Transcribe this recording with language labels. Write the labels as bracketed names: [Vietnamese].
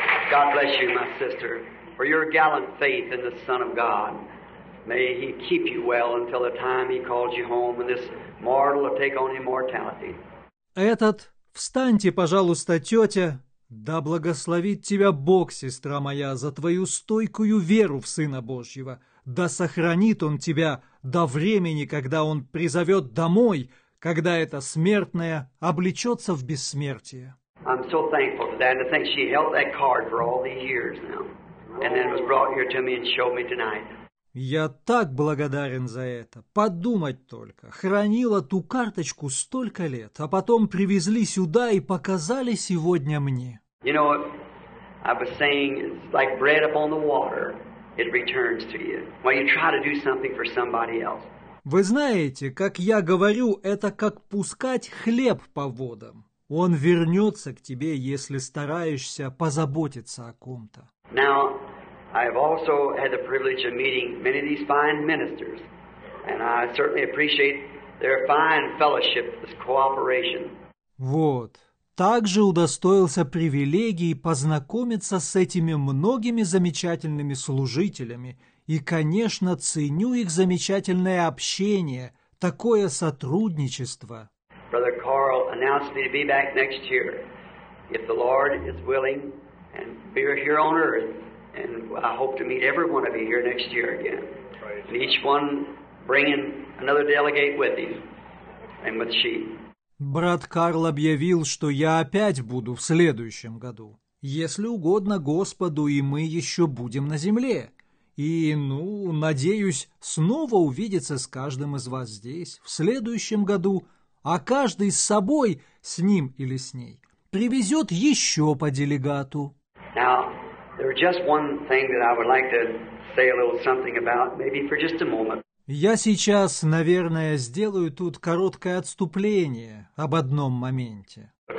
[English] God bless you, my sister, for your gallant faith in the Son of God. May He keep you well until the time He calls you home and this mortal will take on immortality. [Russian] Этот, встаньте, пожалуйста, тетя. «Да благословит тебя Бог, сестра моя, за твою стойкую веру в Сына Божьего! Да сохранит Он тебя до времени, когда Он призовет домой, когда эта смертная облечется в бессмертие!» [English] I'm so thankful for that, and I think she held that card for all these years now, and then was brought here to me and showed me tonight. [Russian] Я так благодарен за это. Подумать только. Хранил эту карточку столько лет, а потом привезли сюда и показали сегодня мне. [English] You know, I was saying, it's like bread upon the water. It returns to you. When you try to do something for somebody else. [Russian] Вы знаете, как я говорю, это как пускать хлеб по водам. Он вернется к тебе, если стараешься позаботиться о ком-то. [English] Now, I've also had the privilege of meeting many of these fine ministers, and I certainly appreciate their fine fellowship, this cooperation. [Russian] Вот. Также удостоился привилегии познакомиться с этими многими замечательными служителями, и, конечно, ценю их замечательное общение, такое сотрудничество. [English] Brother Carl announced me to be back next year, if the Lord is willing, and we are here on earth, and I hope to meet every one of you here next year again. And each one bringing another delegate with him and with sheep. [Russian] Брат Карл объявил, что я опять буду в следующем году, если угодно Господу, и мы еще будем на земле. И, ну, надеюсь, снова увидеться с каждым из вас здесь в следующем году, а каждый с собой, с ним или с ней, привезет еще по делегату. [English] Now, there is just one thing that I would like to say a little something about, maybe for just a moment. [Russian] Я сейчас, наверное, сделаю тут короткое отступление об одном моменте.